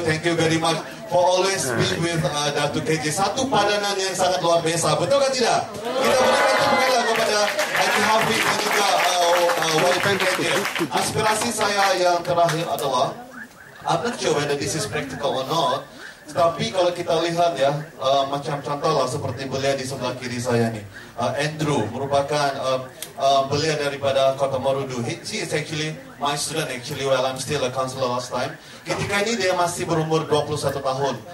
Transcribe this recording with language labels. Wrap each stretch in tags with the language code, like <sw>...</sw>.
<en>Thank you very much for always be with Datuk KJ.</en> <ms>Satu padanan yang sangat luar biasa, betul kan tidak? Kita berikan tepuklah kepada Haji Hafiz dan juga YBKJ. Aspirasi saya yang terakhir adalah,</ms> <en>I'm not sure whether this is practical or not,</en> <ms>tapi kalau kita lihat ya, macam contoh lah seperti belia di sebelah kiri saya ni, Andrew, merupakan belia daripada Kota Marudu.</ms> <en>He is actually my student actually while I'm still a counselor last time.</en> <ms>Ketika ini dia masih berumur 21 tahun.</ms>